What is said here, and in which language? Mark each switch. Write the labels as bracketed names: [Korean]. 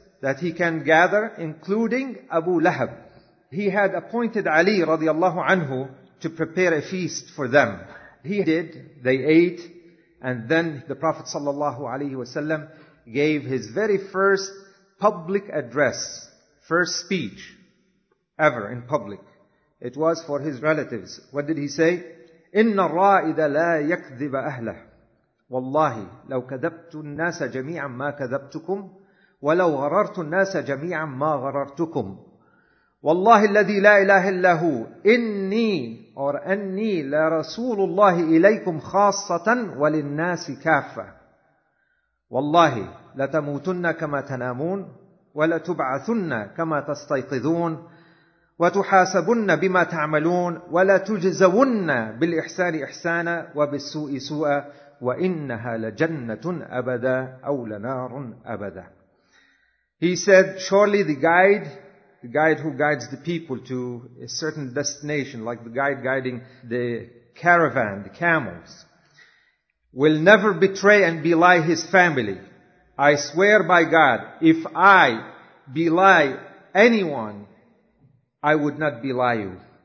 [English] that he can gather, including Abu Lahab. He had appointed Ali radiallahu anhu to prepare a feast for them. He did, they ate, and then the Prophet sallallahu alaihi wasallam gave his very first public address, first speech ever in public. It was for his relatives. What did he say? [Arabic] إِنَّ الرَّائِدَ لَا يَكْذِبَ أَهْلَهُ وَاللَّهِ لَوْ كَذَبْتُ النَّاسَ جَمِيعًا مَا كَذَبْتُكُمْ وَلَوْ غَرَرْتُ النَّاسَ جَمِيعًا مَا غَرَرْتُكُمْ والله الذي لا إله إلا هو إني أو أني لرسول الله إليكم خاصة وللناس كافة والله لتموتن كما تنامون ولتبعثن كما تستيقظون وتحاسبن بما تعملون ولتجزون بالإحسان إحسانا وبالسوء سوءا وإنها لجنة أبدا أو لنار أبدا. [English] He said, surely the guide who guides the people to a certain destination, like the guide guiding the caravan, the camels, will never betray and belie his family. I swear by God, if I belie anyone, I would not belie you.